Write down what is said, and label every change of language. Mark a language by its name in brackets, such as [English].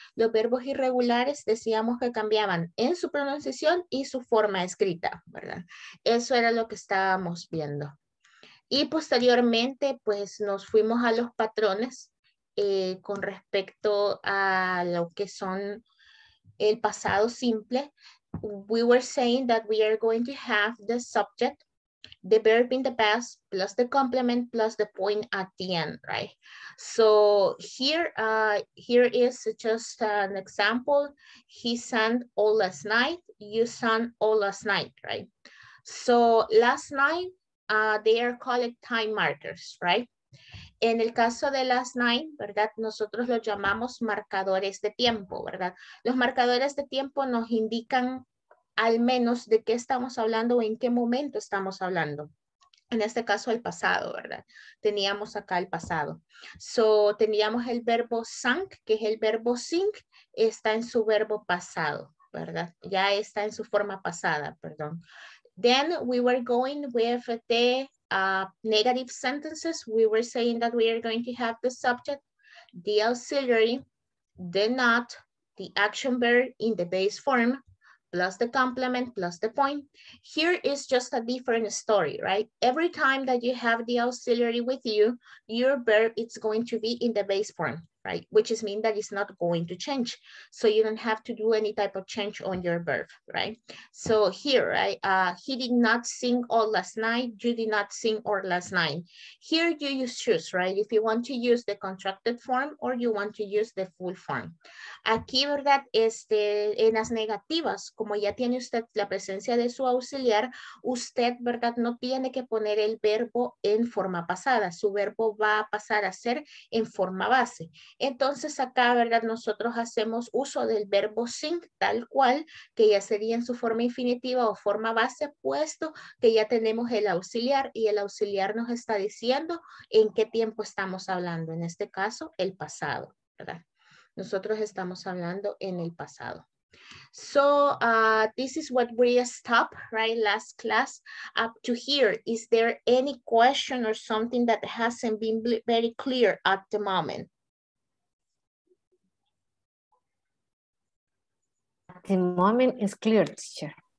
[Spanish] Los verbos irregulares decíamos que cambiaban en su pronunciación y su forma escrita, ¿verdad? Eso era lo que estábamos viendo. Y posteriormente, pues nos fuimos a los patrones con respecto a lo que son el pasado simple. [English] We were saying that we are going to have the subject, the verb in the past, plus the complement, plus the point at the end, right? So here, here is just an example. He sang all last night. You sang all last night, right? So last night, they are called time markers, right? [Spanish] En el caso de last night, ¿verdad? Nosotros lo llamamos marcadores de tiempo, ¿verdad? Los marcadores de tiempo nos indican al menos de qué estamos hablando o en qué momento estamos hablando. En este caso, el pasado, ¿verdad? Teníamos acá el pasado. So, teníamos el verbo sang, que es el verbo sing, está en su verbo pasado, ¿verdad? Ya está en su forma pasada, perdón. [English] Then we were going with the negative sentences. We were saying that we are going to have the subject, the auxiliary, the not, the action verb in the base form, plus the complement, plus the point. Here is just a different story, right? Every time that you have the auxiliary with you, your verb is going to be in the base form, right? Which is mean that it's not going to change. So you don't have to do any type of change on your verb, right? So here, right, he did not sing all last night, you did not sing all last night. Here you use choose, right? If you want to use the contracted form or you want to use the full form. [Spanish] Aquí, verdad, en las negativas, como ya tiene usted la presencia de su auxiliar, usted, verdad, no tiene que poner el verbo en forma pasada. Su verbo va a pasar a ser en forma base. Entonces acá, ¿verdad? Nosotros hacemos uso del verbo sing tal cual, que ya sería en su forma infinitiva o forma base, puesto que ya tenemos el auxiliar y el auxiliar nos está diciendo en qué tiempo estamos hablando. En este caso, el pasado, ¿verdad? Nosotros estamos hablando en el pasado. [English] So this is what we stopped, right, last class up to here. Is there any question or something that hasn't been very clear at the moment? At the moment it's clear, teacher.